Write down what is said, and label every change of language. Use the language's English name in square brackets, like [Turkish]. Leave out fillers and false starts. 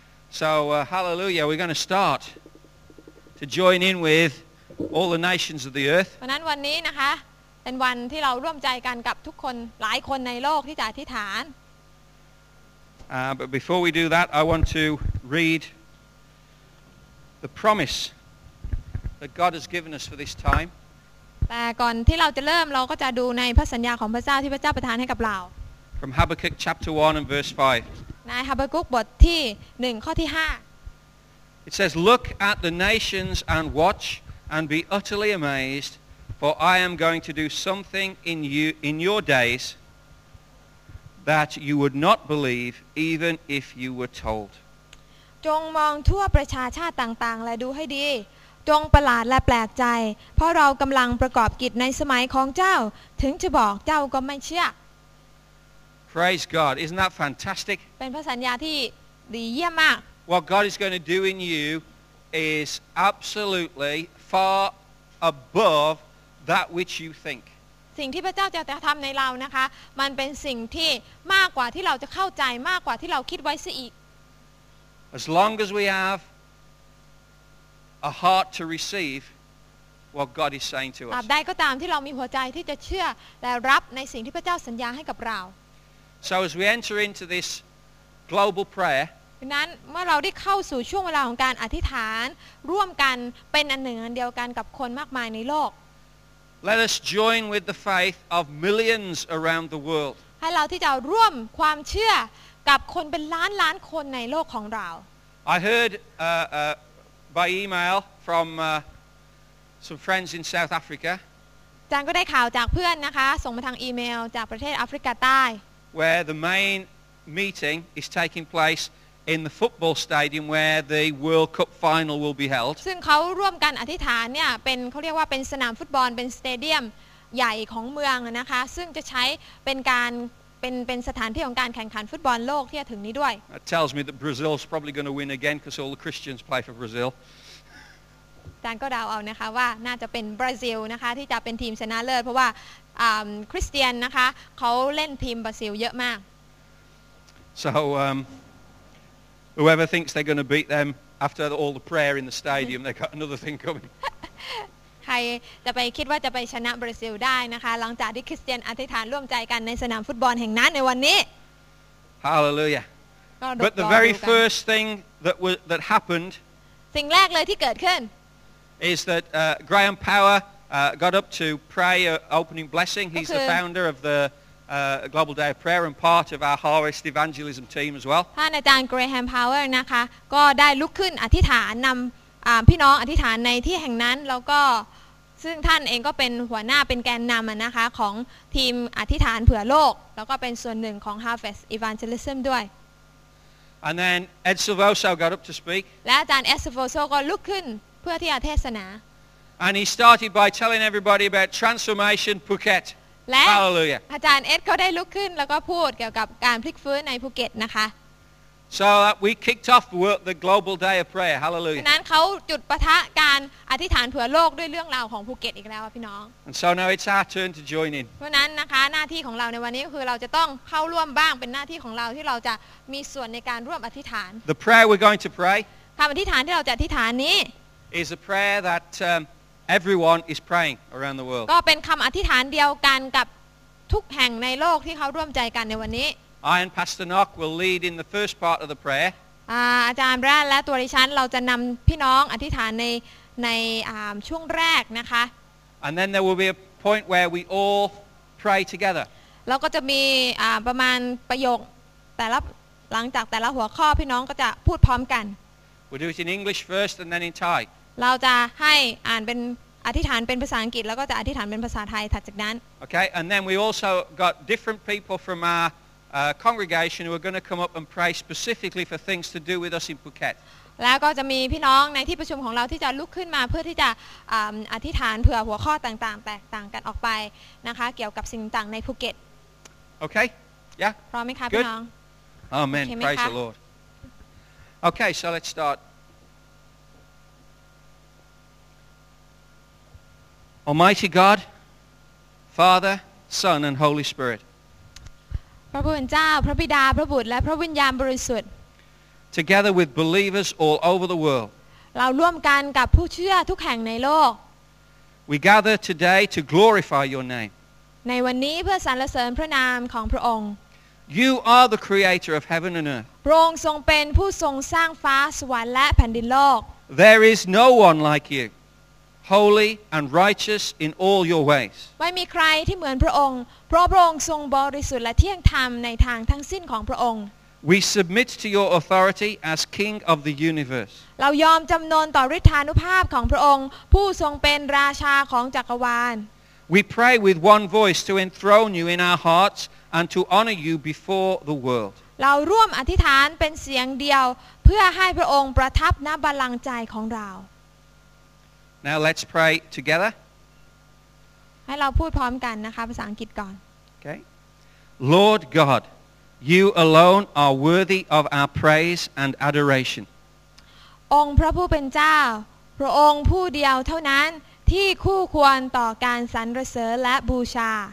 [English] So, hallelujah, we're going to start to join in with all the nations of the earth. [Thai] วันนั้นวันนี้นะคะเป็นวันที่เราร่วมใจกันกับทุกคนหลายคนในโลกที่จะอธิษฐาน [English] But before we do that, I want to read the promise that God has given us for this time. [Thai] แต่ก่อนที่เราจะเริ่มเราก็จะดูในพระสัญญาของพระเจ้าที่พระเจ้าประทานให้กับเรา [English] From Habakkuk chapter 1 and verse 5 [Thai] ใน Habakkuk บทที่1ข้อที่5 [English] It says look at the nations and watch and be utterly amazed for I am going to do something in you in your days that you would not believe even if you were told [Thai] จงมองทั่วประชาชาติต่างๆและดูให้ดีจงประหลาดและแปลกใจเพราะเรากำลังประกอบกิจในสมัยของเจ้าถึงจะบอกเจ้าก็ไม่เชื่อ [English] Praise God isn't that fantastic [Thai] เป็นพระสัญญาที่ดีเยี่ยมมาก [English] What God is going to do in you is absolutely far above that which you think [Thai] สิ่งที่พระเจ้าจะทําในเรานะคะมันเป็นสิ่งที่มากกว่าที่เราจะเข้าใจมากกว่าที่เราคิดไว้ซะอีก [English] As long as we have a heart to receive what God is saying to us [Thai] ตราบใดก็ตามที่เรามีหัวใจที่จะเชื่อและรับในสิ่งที่พระเจ้าสัญญาให้กับเรา [English] So as we enter into this global prayer [Thai] นั้นเมื่อเราได้เข้าสู่ช่วงเวลาของการอธิษฐานร่วมกันเป็นอันหนึ่งอันเดียวกันกับคนมากมายในโลก [English] Let us join with the faith of millions around the world [Thai] ให้เราที่จะร่วมความเชื่อกับคนเป็นล้านล้านคนในโลกของเรา [English] I heard by email from some friends in South Africa [Thai] จางก็ได้ข่าวจากเพื่อนนะคะส่งมาทางอีเมลจากประเทศแอฟริกาใต้ [English] Where the main meeting is taking placeIn the football stadium where the World Cup final will be held. [Thai] ซึ่งเขาร่วมกันอธิษฐานเนี่ยเป็นเขาเรียกว่าเป็นสนามฟุตบอลเป็นสเตเดียมใหญ่ของเมืองนะคะซึ่งจะใช้เป็นการเป็นสถานที่ของการแข่งขันฟุตบอลโลกที่จะถึงนี้ด้วย [English] That tells me that Brazil is probably going to win again because all the Christians play for Brazil. [Thai] ท่านก็เดาเอานะคะว่าน่าจะเป็นบราซิลนะคะที่จะเป็นทีมชนะเลิศเพราะว่าคริสเตียนนะคะเขาเล่นทีมบราซิลเยอะมาก [English] So Whoever thinks they're going to beat them after all the prayer in the stadium, they've got another thing coming. [Thai] ใครจะไปคิดว่าจะไปชนะบราซิลได้นะคะหลังจากที่คริสเตียนอธิษฐานร่วมใจกันในสนามฟุตบอลแห่งนั้นในวันนี้ [English] Hallelujah. But the very first thing that happened [Thai] สิ่งแรกเลยที่เกิดขึ้น [English] is that Graham Power got up to pray an opening blessing. He's the founder of the... Global Day of Prayer and part of our Harvest Evangelism team as well. [Thai] ท่านอาจารย์ Graham Power นะคะก็ได้ลุกขึ้นอธิษฐานนำพี่น้องอธิษฐานในที่แห่งนั้นแล้วก็ซึ่งท่านเองก็เป็นหัวหน้าเป็นแกนนำนะคะของทีมอธิษฐานเผื่อโลกแล้วก็เป็นส่วนหนึ่งของ Harvest Evangelism ด้วย [English] And then Ed Silvoso got up to speak. [Thai] และอาจารย์ Ed Silvoso ก็ลุกขึ้นเพื่อที่จะเทศนา [English] And he started by telling everybody about Transformation Phuket [Thai] และอาจารย์เอ็ดเขาได้ลุกขึ้นแล้วก็พูดเกี่ยวกับการพลิกฟื้นในภูเก็ตนะคะ [English] So we kicked off the Global Day of Prayer Hallelujah [Thai] นั้นเขาจุดปะทะการอธิษฐานเผื่อโลกด้วยเรื่องราวของภูเก็ตอีกแล้วพี่น้อง [English] And so now it's our turn to join in [Thai] เพราะนั้นนะคะหน้าที่ของเราในวันนี้ก็คือเราจะต้องเข้าร่วมบ้างเป็นหน้าที่ของเราที่เราจะมีส่วนในการร่วมอธิษฐาน [English] The prayer we're going to pray [Thai] คำอธิษฐานที่เราจะอธิษฐานนี้ [English] is a prayer thatEveryone is praying around the world. [Thai] ก็เป็นคำอธิษฐานเดียวกันกับทุกแห่งในโลกที่เขาร่วมใจกันในวันนี้ [English] I and Pastor Nock will lead in the first part of the prayer. [Thai] อาจารย์แร่และตัวดิฉันเราจะนำพี่น้องอธิษฐานในช่วงแรกนะคะ [English] And then there will be a point where we all pray together. [Thai] แล้วก็จะมีประมาณประโยคแต่ละหลังจากแต่ละหัวข้อพี่น้องก็จะพูดพร้อมกัน [English] We'll do it in English first and then in Thai. [Thai] เราจะให้อ่านเป็นอธิษฐานเป็นภาษาอังกฤษแล้วก็จะอธิษฐานเป็นภาษาไทยถัดจากนั้น [English] Okay and then we also got different people from our congregation who are going to come up and pray specifically for things to do with us in Phuket [Thai] แล้วก็จะมีพี่น้องในที่ประชุมของเราที่จะลุกขึ้นมาเพื่อที่จะอธิษฐานเผื่อหัวข้อต่างๆแตกต่างกันออกไปนะคะเกี่ยวกับสิ่งต่างในภูเก็ต [English] Okay yeah [Thai] พร้อมไหมคะพี่น้อง [English] Amen praise the Lord Okay so let's startAlmighty God, Father, Son, and Holy Spirit. [Thai] พระผู้เป็นเจ้าพระบิดาพระบุตรและพระวิญญาณบริสุทธิ์ [English] Together with believers all over the world. [Thai] เราร่วมกันกับผู้เชื่อทุกแห่งในโลก [English] We gather today to glorify your name. [Thai] ในวันนี้เพื่อสรรเสริญพระนามของพระองค์ [English] You are the creator of heaven and earth. [Thai] พระองค์ทรงเป็นผู้ทรงสร้างฟ้าสวรรค์และแผ่นดินโลก [English] There is no one like you. Holy and righteous in all your ways. [Thai] ไม่มีใครที่เหมือนพระองค์เพราะพระองค์ทรงบริสุทธิ์และเที่ยงธรรมในทางทั้งสิ้นของพระองค์ [English] We submit to your authority as King of the universe. [Thai] เรายอมจำนนต่อฤทธานุภาพของพระองค์ผู้ทรงเป็นราชาของจักรวาล [English] We pray with one voice to enthrone you in our hearts and to honor you before the world. [Thai] เราร่วมอธิษฐานเป็นเสียงเดียวเพื่อให้พระองค์ประทับณบัลลังก์ใจของเรา [English] Now let's pray together. [Thai] ให้เราพูดพร้อมกันนะคะภาษาอังกฤษก่อน [English] Okay. Lord God, you alone are worthy of our praise and adoration. [Thai] องค์พระผู้เป็นเจ้าพระองค์ผู้เดียวเท่านั้นท ที่คู่ควรต่อการสรรเสริญและบูชา